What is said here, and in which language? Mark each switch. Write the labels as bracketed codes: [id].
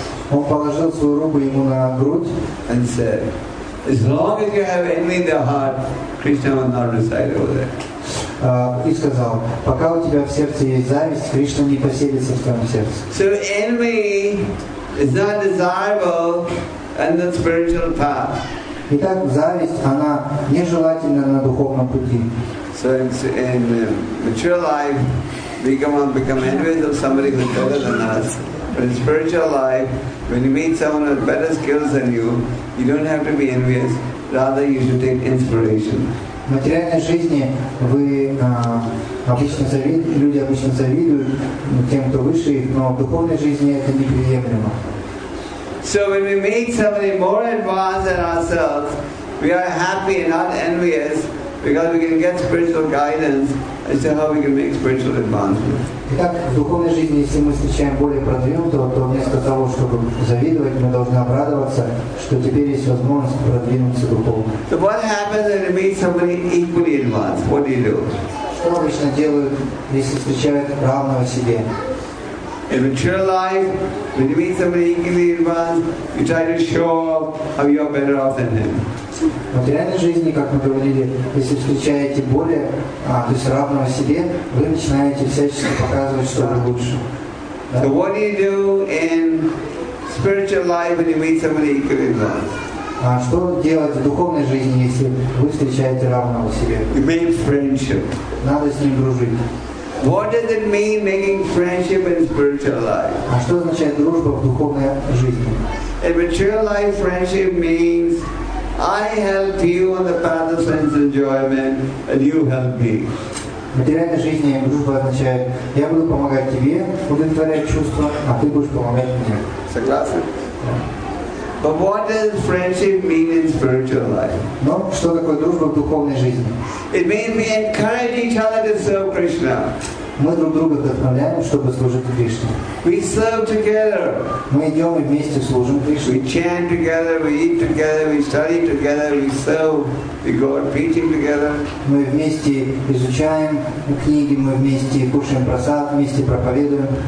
[ru] Он положил свою руку ему на грудь [en] and said, "As long as you have envy in your heart, Krishna will not reside over there." [ru] И сказал, пока у тебя в сердце есть зависть, Кришна не поселится в твоем сердце. [en] So envy is not desirable in the spiritual path. [ru] Итак, зависть, она нежелательна на духовном пути. [en] So in mature life, we come on, become envious of somebody who's better than us. But in spiritual life, when you meet someone with better skills than you, you don't have to be envious. Rather, you should take inspiration. [ru] В материальной жизни вы обычно завидуете, люди обычно завидуют тем, кто выше их, но в духовной жизни это неприемлемо. [en] So when we meet somebody more advanced than ourselves, we are happy and not envious because we can get spiritual guidance as to how we can make spiritual advancement. [ru] Итак, в духовной жизни, если мы встречаем более продвинутого, то вместо того, чтобы завидовать, мы должны обрадоваться, что теперь есть возможность продвинуться духовно. [en] So what happens when you meet somebody equally advanced? What do you do? [ru] Что обычно делают, если встречают равного себе? [en] In mature life, when you meet somebody equally advanced, you try to show off how you are better off than him. [ru] В материальной жизни, как мы говорили, если встречаете более, то есть равного себе, вы начинаете всячески показывать, что вы лучше. [en] So what do you do in spiritual life when you meet somebody equally advanced? [ru] Что делать в духовной жизни, если вы встречаете равного себе? [en] You make friendship. [ru] Надо с ним дружить. [en] What does it mean making friendship in spiritual life? [ru] А что означает дружба в духовной жизни? [en] In mature life, friendship means I help you on the path of sense enjoyment, and you help me. [ru] В материальной жизни дружба означает я буду помогать тебе удовлетворять чувства, а ты будешь помогать мне. Согласен? [en] But what does friendship mean in spiritual life? [ru] Но что такое дружба в духовной жизни? [en] It means we encourage each other to serve Krishna. [ru] Мы друг друга вдохновляем, чтобы служить Кришне. [en] We serve together. [ru] Мы идем и вместе служим Кришне. [en] We chant together, we eat together, we study together, we serve, we go out preaching together. [ru] Мы вместе изучаем книги, мы вместе кушаем просад, вместе проповедуем.